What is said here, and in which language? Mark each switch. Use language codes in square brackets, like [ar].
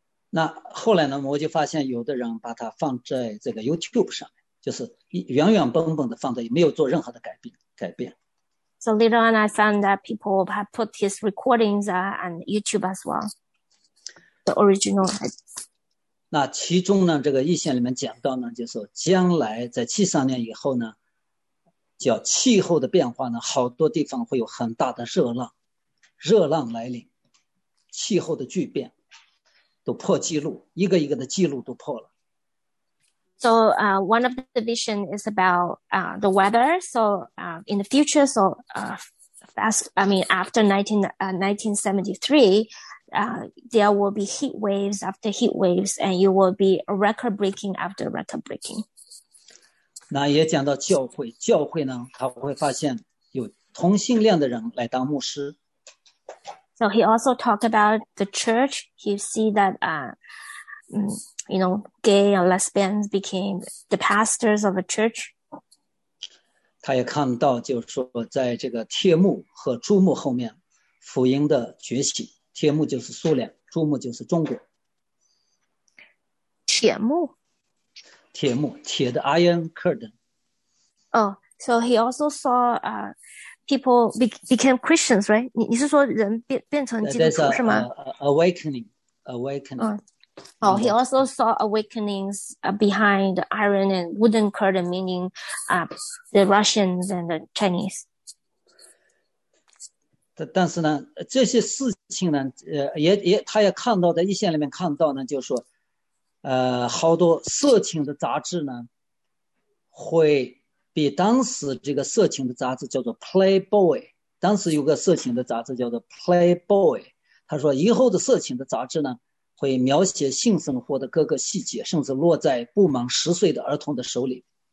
[zh] 那后来呢，我就发现有的人把它放在这个 YouTube 上。就是原原本本的放在，没有做任何的改变。 [en] So later on, I found that people have put his recordings on YouTube as well, the original. [zh] 那其中呢，这个异象里面讲到呢，就是说将来在73年以后呢，叫气候的变化呢，好多地方会有很大的热浪来临，气候的巨变都破记录，一个一个的记录都破了。 [en] So one of the vision is about the weather. So in the future, so after 1973, there will be heat waves after heat waves, and you will be record breaking after record breaking. [zh] 那也讲到教会呢，他会发现有同性恋的人来当牧师。 [en] So he also talked about the church. He see that you know, gay or lesbians became the pastors of a church. [zh] 他也看到，就是说在这个帖幕和注目后面，福音的崛起。帖幕就是苏联，注目就是中国。铁幕，铁幕，铁的 [en] iron curtain。 Oh, so he also saw people became Christians, right? [zh] 你是说人变成基督徒是吗 [en] ？Awakening. Oh, he also saw awakenings behind the iron and wooden curtain, meaning the Russians and the Chinese. [zh] 但是呢，这些事情呢，他也看到在一线里面看到呢，就是说。好多色情的杂志呢，会比当时这个色情的杂志叫做 Playboy， 当时有个色情的杂志叫做 Playboy， 他说以后的色情的杂志呢，会描写性生活的各个细节，甚至落在不满10岁的儿童的手里。